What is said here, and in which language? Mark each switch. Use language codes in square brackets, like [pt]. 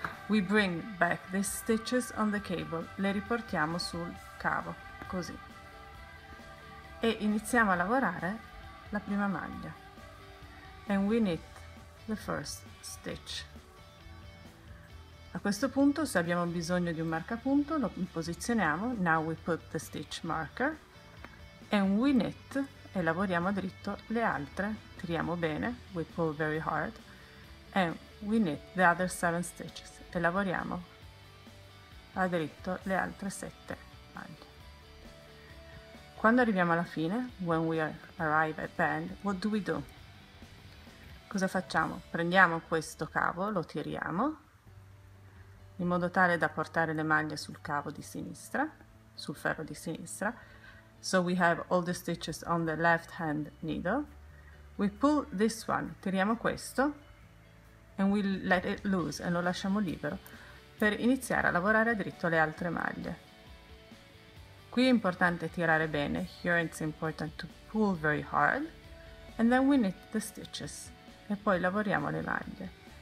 [en] We bring back these stitches on the cable. [it] Le riportiamo sul cavo, così. E iniziamo a lavorare la prima maglia. [en] And we knit the first stitch. [it] A questo punto, se abbiamo bisogno di un marcapunto, lo posizioniamo. [en] Now we put the stitch marker and we knit [it] e lavoriamo dritto le altre. Tiriamo bene, [en] we pull very hard and we knit the other 7 stitches [it] e lavoriamo a dritto le altre 7 maglie. Quando arriviamo alla fine, [en] when we arrive at the end, what do we do? [it] Cosa facciamo? Prendiamo questo cavo, lo tiriamo in modo tale da portare le maglie sul cavo di sinistra, sul ferro di sinistra. [en] So we have all the stitches on the left hand needle. We pull this one, [it] tiriamo questo, [en] and we let it loose, [it] e lo lasciamo libero, per iniziare a lavorare a dritto le altre maglie. Qui è importante tirare bene, [en] here it's important to pull very hard, and then we knit the stitches, [it] e poi lavoriamo le maglie.